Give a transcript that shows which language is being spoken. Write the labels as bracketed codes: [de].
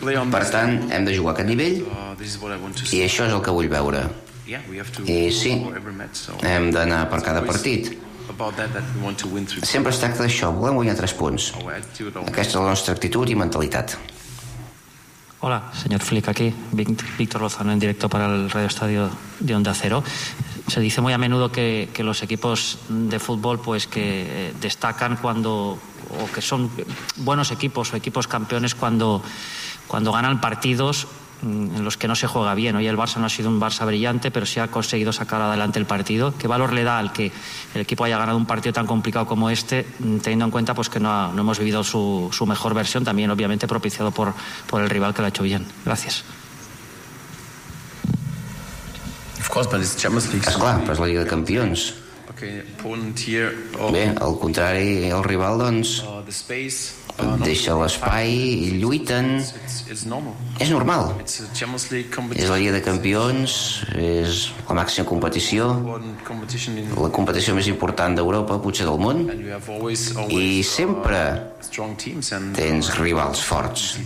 [ca] Per tant, hem de jugar a aquest nivell i això és el que vull veure. I sí, hem d'anar per cada partit. Sempre es tracta d'això, volem guanyar 3 punts. Aquesta és la nostra actitud i mentalitat. [es] Hola, señor Flick, aquí Víctor Lozano en directo para el Radio Estadio de Onda Cero. Se dice muy a menudo que los equipos de fútbol pues que destacan cuando o que son buenos equipos o equipos campeones cuando ganan partidos en los que no se juega bien. Hoy el Barça no ha sido un Barça brillante, pero sí ha conseguido sacar adelante el partido. ¿Qué valor le da al que el equipo haya ganado un partido tan complicado como este, teniendo en cuenta pues que no hemos vivido su mejor versión, también obviamente propiciado por el rival que lo ha hecho bien? Gracias. [ca] Esclar, però és la Lliga de Campions. Bé, al contrari, el rival, doncs, deixa l'espai i lluiten. És normal. És la Lliga de Campions, és la màxima competició, la competició més important d'Europa, potser del món, i sempre tens rivals forts.